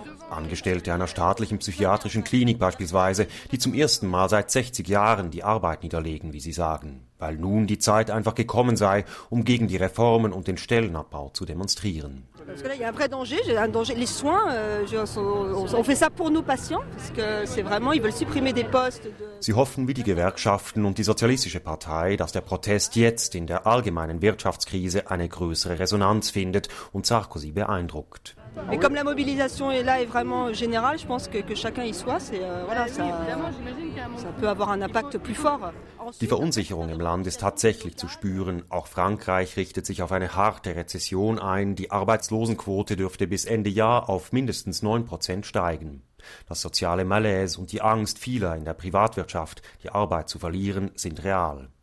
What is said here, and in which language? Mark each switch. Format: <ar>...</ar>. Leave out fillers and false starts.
<de>Angestellte einer staatlichen psychiatrischen Klinik beispielsweise, die zum ersten Mal seit 60 Jahren die Arbeit niederlegen, wie sie sagen, weil nun die Zeit einfach gekommen sei, um gegen die Reformen und den Stellenabbau zu demonstrieren.</de> <fr>Parce que là, il y a un vrai danger, j'ai un danger. Les soins, on fait ça pour nos patients, parce que c'est vraiment, ils veulent supprimer des postes.</fr> <de>Sie hoffen wie die Gewerkschaften und die Sozialistische Partei, dass der Protest jetzt in der allgemeinen Wirtschaftskrise eine größere Resonanz findet und Sarkozy beeindruckt.</de> <fr>Et comme la mobilisation est là et vraiment générale, je pense que chacun y soit, ça peut avoir un impact plus fort.</fr> <de>Die Verunsicherung im Land ist tatsächlich zu spüren. Auch Frankreich richtet sich auf eine harte Rezession ein. Die Arbeitslosenquote dürfte bis Ende Jahr auf mindestens 9% steigen. Das soziale Malaise und die Angst vieler in der Privatwirtschaft, die Arbeit zu verlieren, sind real.</de>